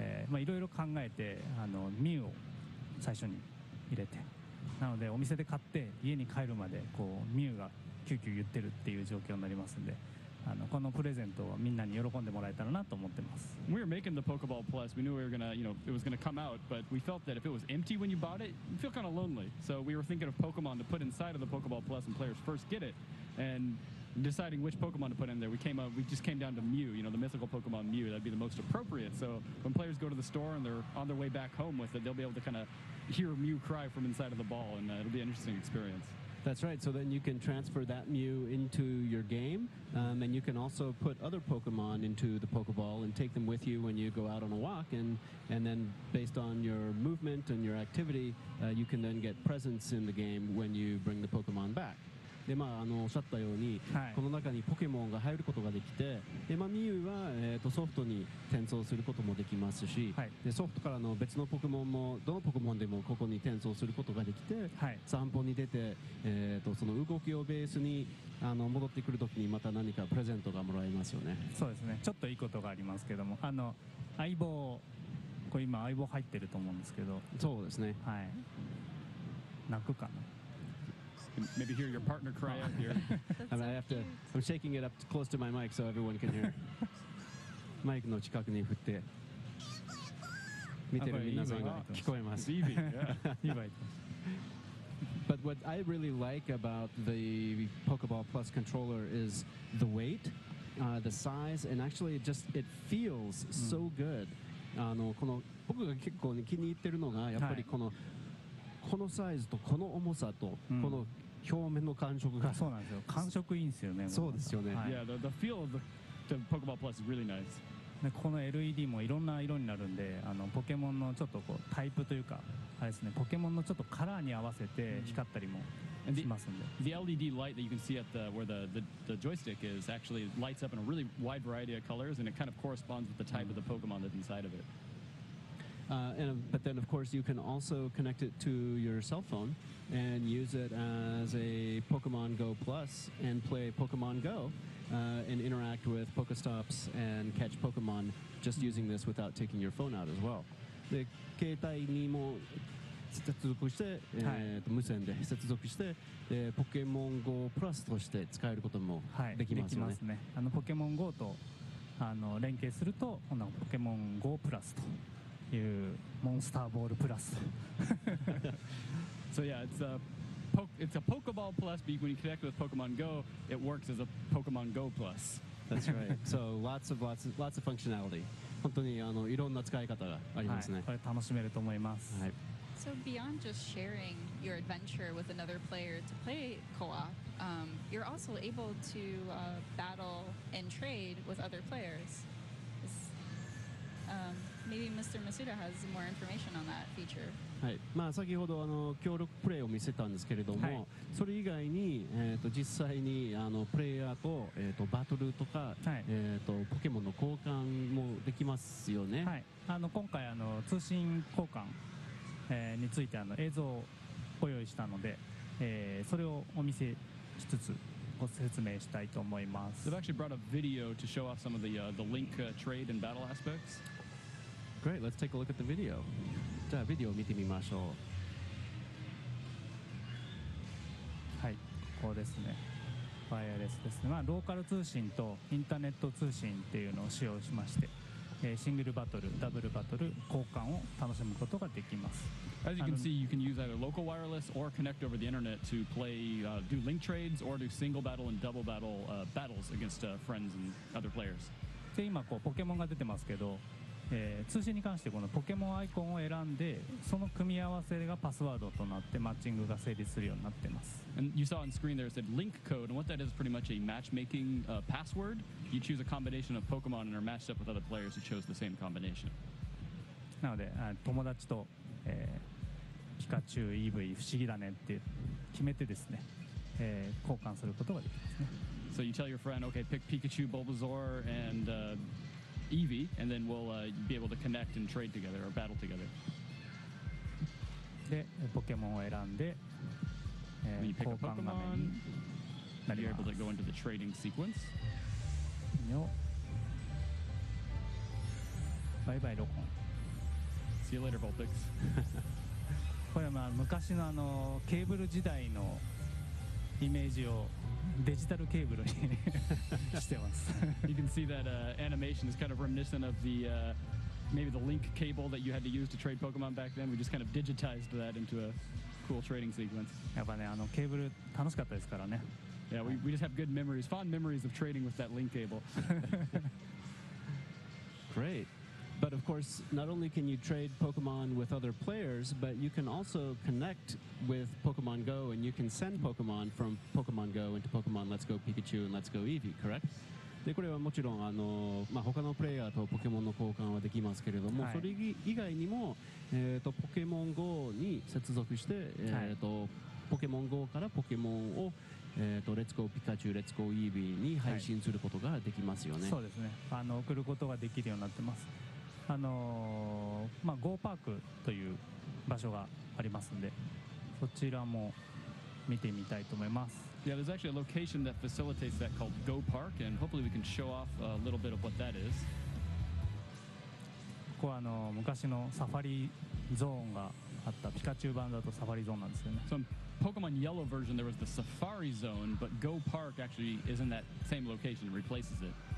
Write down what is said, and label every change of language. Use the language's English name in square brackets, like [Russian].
[Japanese] まあ、いろいろ考えてあのミュウを最初に入れて、なのでお店で買って家に帰るまでこうミュウがキュキュ言ってるっていう状況になりますんで、あのこのプレゼントをみんなに喜んでもらえたらなと思ってます。 [English] We were making the Pokeball Plus. We knew we were gonna, you know, it was gonna come out, but we felt that if it was empty when you bought it, you'd feel kind of lonely. So we were thinking of Pokemon to put inside of the Pokeball Plus and players first get it andDeciding which Pokemon to put in there, we just came down to Mew, you know, the mythical Pokemon Mew. That'd be the most appropriate. So when players go to the store and they're on their way back home with it, they'll be able to kind of hear Mew cry from inside of the ball, and it'll be an interesting experience. That's right. So then you can transfer that Mew into your game, and you can also put other Pokemon into the Pokeball and take them with you when you go out on a walk. And then based on your movement and your activity, you can then get presents in the game when you bring the Pokemon back. [Japanese] でまあ、あのおっしゃったように、はい、この中にポケモンが入ることができて、で、まあ、ミュウは、ソフトに転送することもできますし、はい、でソフトからの別のポケモンもどのポケモンでもここに転送することができて、はい、散歩に出て、その動きをベースにあの戻ってくるときにまた何かプレゼントがもらえますよね。そうですね。ちょっといいことがありますけども、あの相棒、これ今相棒入ってると思うんですけど、そうですね、はい、泣くかな。 [English] Maybe hear your partner cry out here. And I have to, I'm shaking it up to close to my mic so everyone can hear. [Japanese] Mic の近くに振って。見てる皆さんが聞こえます。 [English] Evie, yeah. But what I really like about the Pokeball Plus controller is the weight, the size, and actually just it feels so good. [Japanese] あの、この僕が結構気に入ってるのがやっぱりこの、このサイズとこの重さとこの表面の感触が、そうなんですよ、感触いいんですよね。そうですよね、 [English] はい、yeah, the feel of the Pokeball Plus is really nice. [Japanese] でこの LED もいろんな色になるんで、あのポケモンのちょっとこうタイプというかあれですね、ポケモンのちょっとカラーに合わせて光ったりもしますんで。 [English] The LED light that you can see at the where the joystick is actually lights up in a really wide variety of colors, and it kind of corresponds with the type of the Pokemon that's inside of it. But then of course you can also connect it to your cell phone and use it as a Pokemon Go Plus and play Pokemon Go. And interact with Pokestops and catch Pokemon just using this without taking your phone out as well. [Japanese] で、携帯にも接続して、はい、無線で接続して、ポケモン GO プラスとして使えることもできますよね。はい、できますね。あのポケモン GO とあの連携すると、このポケモン GO プラスというモンスターボールプラス。 [English] So yeah, it's a Pokeball Plus, but when you connect with Pokemon Go, it works as a Pokemon Go Plus. That's right. So lots of functionality. [Japanese] 本当にあのいろんな使い方がありますね。はい、これ楽しめると思います。はい。 [English] So beyond just sharing your adventure with another player to play co-op, you're also able to battle and trade with other players. Maybe Mr. Masuda has more information on that feature. [Japanese] はい、まあ、先ほどあの協力プレイを見せたんですけれども、はい、それ以外に、実際にあのプレイヤーと、バトルとか、はい、ポケモンの交換もできますよね。はい、あの今回あの通信交換、についてあの映像をご用意したので、それをお見せしつつご説明したいと思います。 [English] They've actually brought a video to show off some of the link trade and battle aspects. Great, let's take a look at the video. [Japanese] じゃあビデオを見てみましょう。はい、ここですね。ワイヤレスですね。まあローカル通信とインターネット通信っていうのを使用しまして、シングルバトル、ダブルバトル交換を楽しむことができます。 [English] As you can see, you can use either local wireless or connect over the internet to play, do link trades or do single battle and double battle battles against friends and other players. [Japanese] で今こうポケモンが出てますけど。通信に関してこのポケモンアイコンを選んでその組み合わせがパスワードとなってマッチングが成立するようになってます。 [English] And you saw on screen there it said link code, and what that is pretty much a matchmaking password. You choose a combination of Pokemon and are matched up with other players who chose the same combination. [Japanese] なので友達と、ピカチュウ、イーブイ、不思議だねって決めてですね、交換することができますね。 [English] So you tell your friend, okay, pick Pikachu, Bulbasaur andEevee, and then we'll be able to connect and trade together or battle together. [Japanese] で、ポケモンを選んで、交換画面に、 [English] you're able to go into the trading sequence. [Japanese] よ、バイバイロコン。 [English] See you later, Vulpix. [Japanese] これはまあ昔のあのケーブル時代のイメージを。デジタルケーブルにしてます。 [English] You can see that animation is kind of reminiscent of the maybe the link cable that you had to use to trade Pokemon back then. We just kind of digitized that into a cool trading sequence. [Japanese] やっぱね、あのケーブル楽しかったですからね。 [English] Yeah, we just have good memories, fond memories of trading with that link cable. Great. But of course, not only can you trade Pokemon with other players, but you can also connect with Pokemon Go, and you can send Pokemon from Pokemon Go into Pokemon Let's Go Pikachu and Let's Go Eevee, correct? [Japanese] で、これはもちろん、あの、まあ、他のプレイヤーとポケモンの交換はできますけれども、はい、それ以外にも、ポケモン Go に接続して、はい、ポケモン Go からポケモンをLet's Go Pikachu, Let's Go Eevee に配信することができますよね。はい、そうですね。あの、送ることができるようになってます。まあ、Go Park という場所がありますので、そちらも見てみたいと思います。 [English] Yeah, there's actually a location that facilitates that called Go Park, and hopefully we can show off a little bit of what that is. [Japanese] ここは昔のサファリゾーンがあった、ピカチュウ版だとサファリゾーンなんですよね。 [English] So,Pokemon Yellow version, there was the Safari Zone, but Go Park actually is in that same location, replaces it.